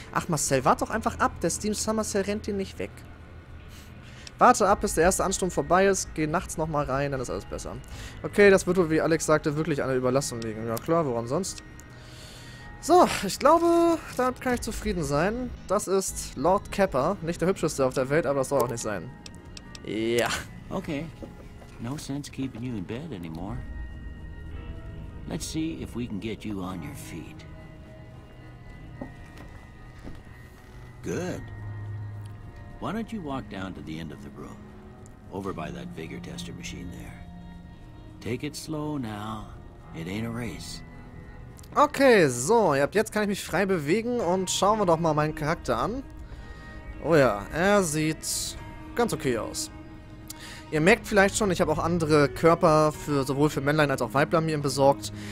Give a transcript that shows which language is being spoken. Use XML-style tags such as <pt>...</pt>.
<de>Ach Marcel, warte doch einfach ab, der Steam Summer Sale rennt dir nicht weg. Warte ab, bis der erste Ansturm vorbei ist, geh nachts nochmal rein, dann ist alles besser. Okay, das wird wohl, wie Alex sagte, wirklich eine Überlastung liegen. Ja klar, woran sonst? So, ich glaube, damit kann ich zufrieden sein. Das ist Lord Kepper, nicht der hübscheste auf der Welt, aber das soll auch nicht sein. Ja.</de> <en>Okay, no sense keeping you in bed anymore. Let's see if we can get you on your feet. Good. Why don't you walk down to the end of the room, over by that vigor tester machine there. Take it slow now. It ain't a race.</en> <de>Okay, so, jetzt kann ich mich frei bewegen und schauen wir doch mal meinen Charakter an. Oh ja, er sieht ganz okay aus. Ihr merkt vielleicht schon, ich habe auch andere Körper für sowohl für Männlein als auch Weiblein mir besorgt.</de>